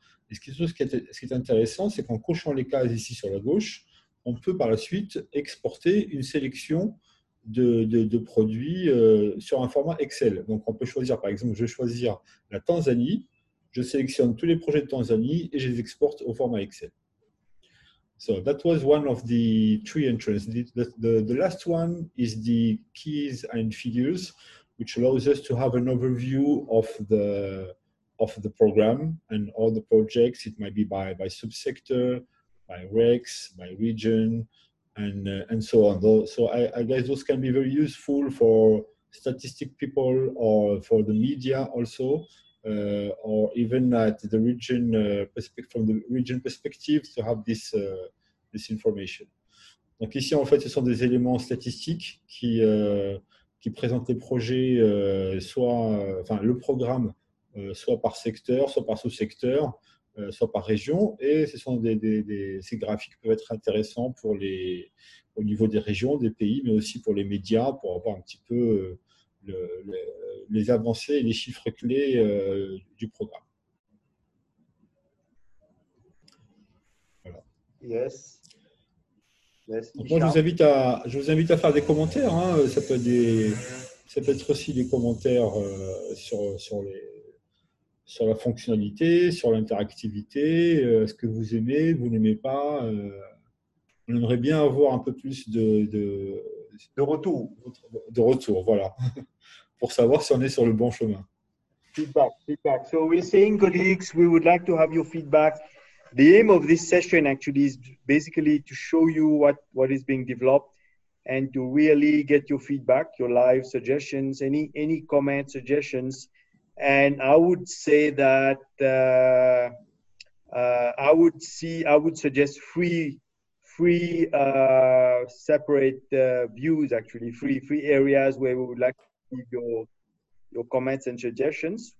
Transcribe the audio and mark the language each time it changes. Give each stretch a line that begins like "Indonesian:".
French: Et ce qui est intéressant, c'est qu'en cochant les cases ici sur la gauche, on peut par la suite exporter une sélection de produits sur un format Excel. Donc on peut choisir, par exemple, je vais choisir la Tanzanie, je sélectionne tous les projets de Tanzanie et je les exporte au format Excel.
English: So that was one of the three entrances. The last one is the keys and figures. which allows us to have an overview of the program and all the projects. It might be by subsector, by RECs, by region, and so on. So I guess those can be very useful for statistic people or for the media also, or even at the region from the region perspective to have this information.
French: Donc ici, en fait, ce sont des éléments statistiques qui présentent les projets, le programme, soit par secteur, soit par sous-secteur, soit par région. Et ce sont ces graphiques peuvent être intéressants au niveau des régions, des pays, mais aussi pour les médias, pour avoir un petit peu les avancées et les chiffres clés du programme. Voilà.
English: Yes.
French: Donc moi, je vous invite à faire des commentaires. Hein. Ça peut être aussi des commentaires sur la fonctionnalité, sur l'interactivité, ce que vous aimez, vous n'aimez pas. On aimerait bien avoir un peu plus de retour. De retour, voilà. Pour savoir si on est sur le bon chemin.
English: Feedback. So we're saying, colleagues, we would like to have your feedback. The aim of this session actually is basically to show you what is being developed and to really get your feedback, your live suggestions, any comments, suggestions. And I would say that I would suggest three separate views, actually, three areas where we would like to give your comments and suggestions.